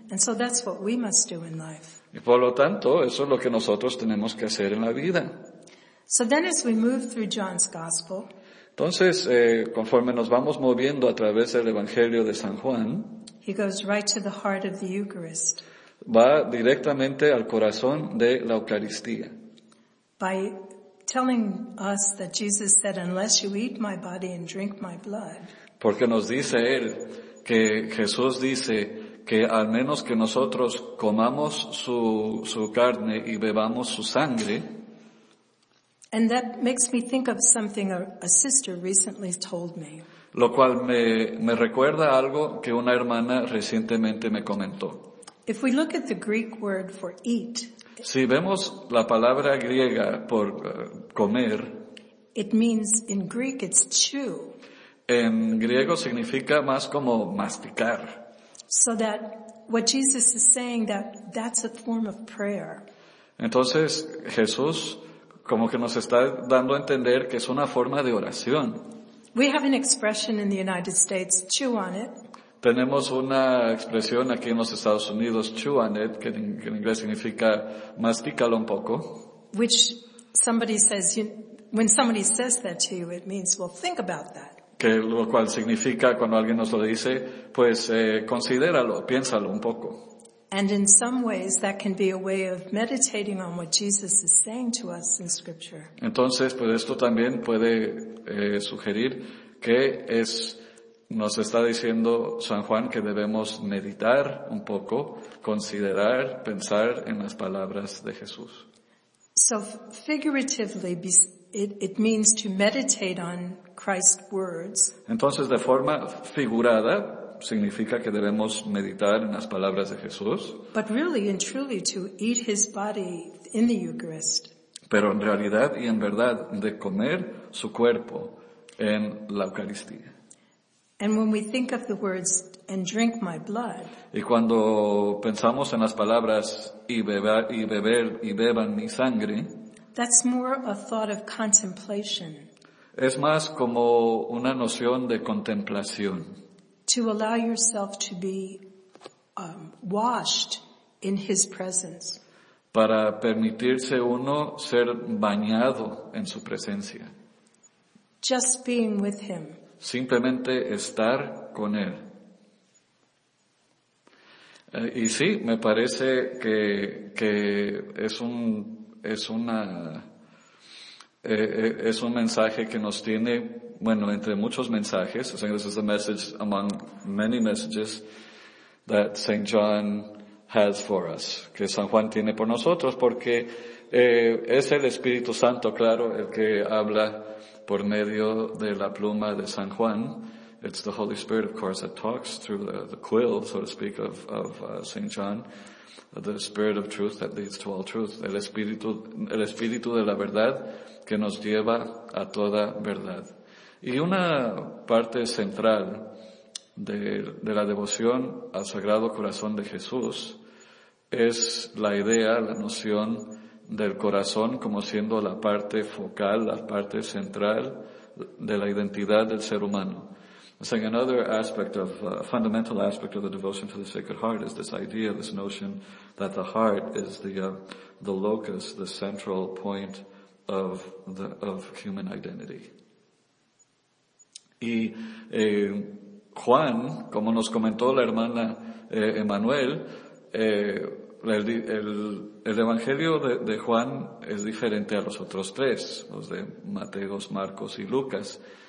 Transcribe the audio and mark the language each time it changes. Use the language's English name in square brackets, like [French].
[English] And so that's what we must do in life. [Spanish] Y por lo tanto, eso es lo que nosotros tenemos que hacer en la vida. [English] So then as we move through John's gospel, [Spanish] entonces, conforme nos vamos moviendo a través del Evangelio de San Juan, [English] he goes right to the heart of the Eucharist. [Spanish] Va directamente al corazón de la Eucaristía. [English] By telling us that Jesus said, unless you eat my body and drink my blood. [Spanish] Porque nos dice él que Jesús dice que al menos que nosotros comamos su carne y bebamos su sangre. [English] And that makes me think of something a sister recently told me. [Spanish] Lo cual me recuerda algo que una hermana recientemente me comentó. [English] If we look at the Greek word for eat, [Spanish] si vemos la palabra griega por comer, [English] it means in Greek it's chew. [Spanish] En griego significa más como masticar. [English] So that what Jesus is saying, that's a form of prayer. [Spanish] Entonces Jesús como que nos está dando a entender que es una forma de oración. [English] We have an expression in the United States, chew on it. [Spanish] Tenemos una expresión aquí en los Estados Unidos, [English] chew on it, [Spanish] que en inglés significa mastícalo un poco. [English] Which somebody says, when somebody says that to you, it means, well, think about that. [Spanish] Que lo cual significa cuando alguien nos lo dice, pues considéralo, piénsalo un poco. [English] And in some ways that can be a way of meditating on what Jesus is saying to us in Scripture. [Spanish] Entonces, pues esto también puede sugerir que es... Nos está diciendo San Juan que debemos meditar un poco, considerar, pensar en las palabras de Jesús. [English] So figuratively, it means to meditate on Christ's words. [Spanish] Entonces, de forma figurada, significa que debemos meditar en las palabras de Jesús. [English] But really and truly to eat his body in the Eucharist. [Spanish] Pero en realidad y en verdad, de comer su cuerpo en la Eucaristía. [English] And when we think of the words, and drink my blood. [Spanish] Y cuando pensamos en las palabras, y beban mi sangre. [English] That's more a thought of contemplation. [Spanish] Es más como una noción de contemplación. [English] To allow yourself to be washed in his presence. [Spanish] Para permitirse uno ser bañado en su presencia. [English] Just being with him. [Spanish] Simplemente estar con él. Y sí, me parece que es un mensaje que nos tiene, bueno, entre muchos mensajes. [English] I think this is a message among many messages that St. John has for us, [Spanish] que San Juan tiene por nosotros, porque es el Espíritu Santo, claro, el que habla por medio de la pluma de San Juan. [English] It's the Holy Spirit, of course, that talks through the quill, so to speak, of St. John. The Spirit of Truth that leads to all truth. [Spanish] El Espíritu de la verdad que nos lleva a toda verdad. Y una parte central de la devoción al Sagrado Corazón de Jesús es la idea, la noción del corazón como siendo la parte focal, la parte central de la identidad del ser humano. [English] So another aspect of, fundamental aspect of the devotion to the Sacred Heart is this idea, this notion that the heart is the locus, the central point of human identity. [Spanish] Y Juan, como nos comentó la hermana Emmanuel, el Evangelio de Juan es diferente a los otros tres, los de Mateo, Marcos y Lucas.